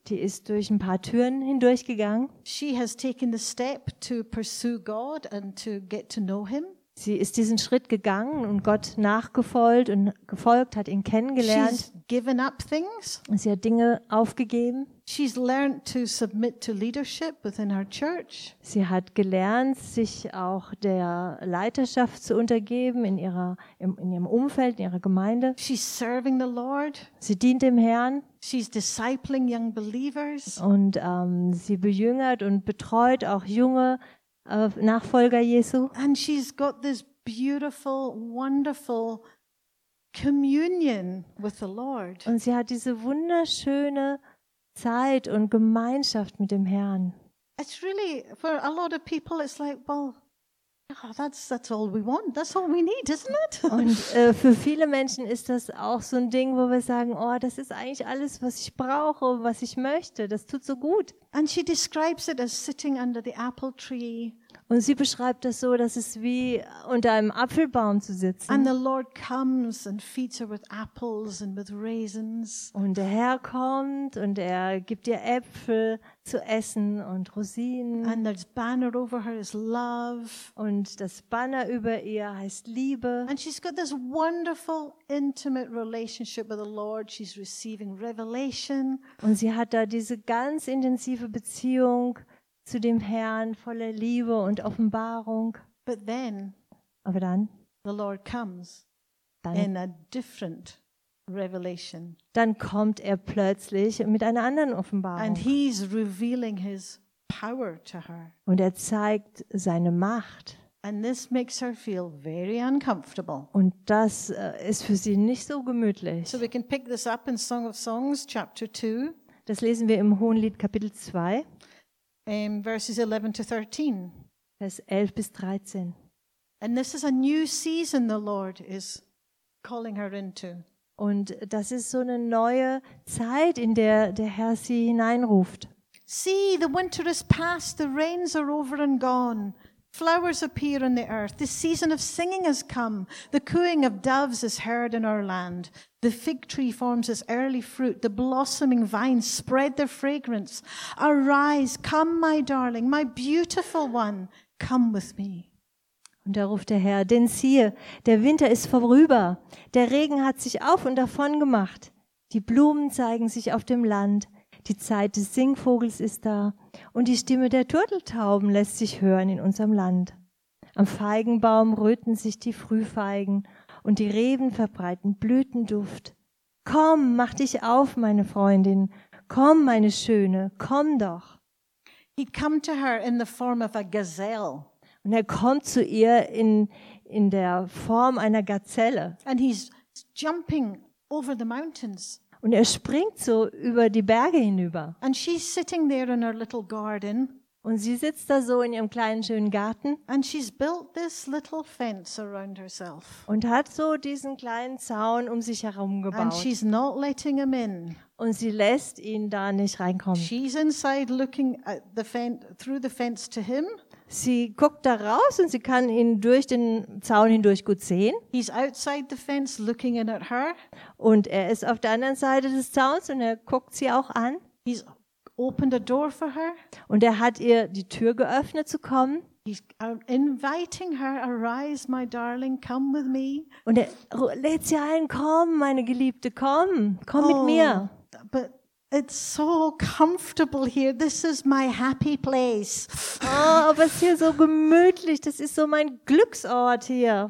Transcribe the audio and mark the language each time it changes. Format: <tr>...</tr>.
<de>Die ist durch ein paar Türen hindurchgegangen.</de> <en>She has taken the step to pursue God and to get to know him.</en> <de>Sie ist diesen Schritt gegangen und Gott nachgefolgt und gefolgt, hat ihn kennengelernt.</de> <en>She's given up things.</en> <de>Sie hat Dinge aufgegeben.</de> <en>She's learned to submit to leadership within her church.</en> <de>Sie hat gelernt, sich auch der Leiterschaft zu untergeben in ihrer in ihrem Umfeld, in ihrer Gemeinde.</de> <en>She's serving the Lord.</en> <de>Sie dient dem Herrn.</de> <en>She's discipling young believers.</en> <de>Und sie bejüngert und betreut auch junge Nachfolger Jesu.</de> <en>And she's got this beautiful, wonderful communion with the Lord.</en> <de>Und sie hat diese wunderschöne Zeit und Gemeinschaft mit dem Herrn.</de> <en>It's really for a lot of people. It's like, well, oh, that's all we want. That's all we need, isn't it?</en> <de>Und für viele Menschen ist das auch so ein Ding, wo wir sagen, oh, das ist eigentlich alles, was ich brauche, was ich möchte. Das tut so gut.</de> <en>And she describes it as sitting under the apple tree.</en> <de>Und sie beschreibt das so, dass es wie unter einem Apfelbaum zu sitzen.</de> <en>And the Lord comes and feeds her with apples and with raisins.</en> <de>Und der Herr kommt und er gibt ihr Äpfel zu essen und Rosinen.</de> <en>And the banner over her is love.</en> <de>Und das Banner über ihr heißt Liebe.</de> <en>And she's got this wonderful intimate relationship with the Lord. She's receiving revelation.</en> <de>Und sie hat da diese ganz intensive Beziehung zu dem Herrn, voller Liebe und Offenbarung.</de> <en>But then,</en> <de>aber dann,</de> <en>the Lord comes</en> <de>dann,</de> <en>in a different revelation.</en> <de>Dann kommt er plötzlich mit einer anderen Offenbarung.</de> <en>And he's revealing his power to her.</en> <de>Und er zeigt seine Macht.</de> <en>And this makes her feel very uncomfortable.</en> <de>Und das ist für sie nicht so gemütlich.</de> <en>So we can pick this up in Song of Songs, chapter 2.</en> <de>Das lesen wir im Hohenlied, Kapitel 2.</de> <en>Verses 11 to 13.</en> <de>Vers 11 bis 13.</de> <en>And this is a new season the Lord is calling her into.</en> <de>Und das ist so eine neue Zeit, in der der Herr sie hineinruft.</de> <en>See, the winter is past, the rains are over and gone. Flowers appear in the earth. The season of singing has come. The cooing of doves is heard in our land. The fig tree forms its early fruit. The blossoming vines spread their fragrance. Arise, come, my darling, my beautiful one, come with me.</en> <de>Und da ruft der Herr, denn siehe, der Winter ist vorüber. Der Regen hat sich auf und davon gemacht. Die Blumen zeigen sich auf dem Land. Die Zeit des Singvogels ist da und die Stimme der Turteltauben lässt sich hören in unserem Land. Am Feigenbaum röten sich die Frühfeigen und die Reben verbreiten Blütenduft. Komm, mach dich auf, meine Freundin, komm, meine Schöne, komm doch.</de> <en>He'd come to her in the form of a gazelle.</en> <de>Und er kommt zu ihr in der Form einer Gazelle.</de> <en>And he's jumping over the mountains.</en> <de>Und er springt so über die Berge hinüber.</de> <en>And she's sitting there in her little garden.</en> <de>Und sie sitzt da so in ihrem kleinen schönen Garten.</de> <en>And she's built this little fence around herself.</en> <de>Und hat so diesen kleinen Zaun um sich herum gebaut.</de> <en>And she's not letting him in.</en> <de>Und sie lässt ihn da nicht reinkommen.</de> <en>She's inside looking at the fence, through the fence to him.</en> <de>Sie guckt da raus und sie kann ihn durch den Zaun hindurch gut sehen.</de> <en>He's outside the fence looking in at her.</en> <de>Und er ist auf der anderen Seite des Zauns und er guckt sie auch an.</de> <en>He's opened a door for her.</en> <de>Und er hat ihr die Tür geöffnet zu kommen.</de> <en>He's inviting her, arise, my darling, come with me.</en> <de>Und er lädt sie ein, komm, meine Geliebte, komm, komm mit mir.</de> <en>But it's so comfortable here. This is my happy place.</en> <de>Oh, aber es ist hier so gemütlich. Das ist so mein Glücksort hier.</de>